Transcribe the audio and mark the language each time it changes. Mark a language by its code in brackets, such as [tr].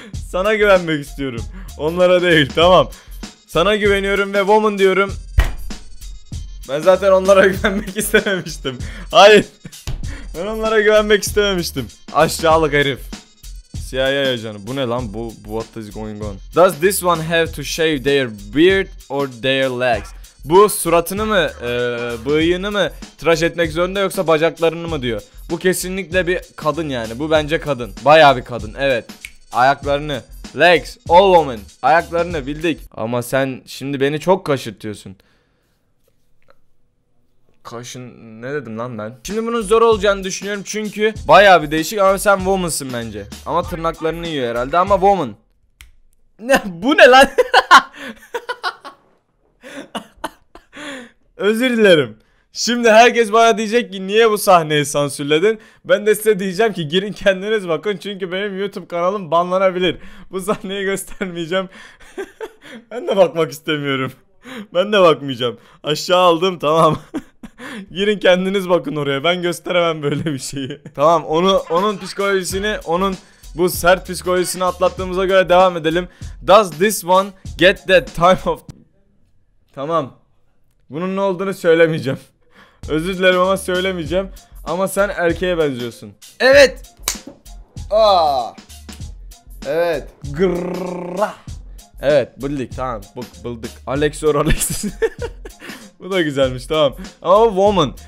[tr] Sana güvenmek istiyorum. Onlara değil. Tamam. Sana güveniyorum ve woman diyorum. Ben zaten onlara güvenmek istememiştim. Hayır. Ben onlara güvenmek istememiştim. Aşağılık herif. CIA ajanı. Bu ne lan? [en] Bu what is going on? Does this one have to shave their beard or their legs? [tr] Bu suratını mı, bıyığını mı tıraş etmek zorunda yoksa bacaklarını mı diyor. Bu kesinlikle bir kadın yani. Bu bence kadın. Bayağı bir kadın. Evet. Ayaklarını. [en] Legs. All woman. [tr] Ayaklarını bildik. Ama sen şimdi beni çok kaşırtıyorsun. Kaşın ne dedim lan ben? Şimdi bunun zor olacağını düşünüyorum çünkü bayağı bir değişik ama sen woman'sın bence. Ama tırnaklarını yiyor herhalde ama woman. Ne bu ne lan? Özür dilerim. Şimdi herkes bana diyecek ki niye bu sahneyi sansürledin? Ben de size diyeceğim ki girin kendiniz bakın çünkü benim YouTube kanalım banlanabilir. Bu sahneyi göstermeyeceğim. Ben de bakmak istemiyorum. Ben de bakmayacağım. Aşağı aldım tamam. Girin kendiniz bakın oraya. Ben gösteremem böyle bir şeyi. Tamam onun psikolojisini, onun bu sert psikolojisini atlattığımıza göre devam edelim. [en] Does this one get that time of... [tr] Tamam. Bunun ne olduğunu söylemeyeceğim. Özür dilerim ama söylemeyeceğim. Ama sen erkeğe benziyorsun. Evet. Aa. Evet. Grrrra. Evet bildik tamam. Bıldık. Alex or Alex. Bu da güzelmiş tamam. Ama woman.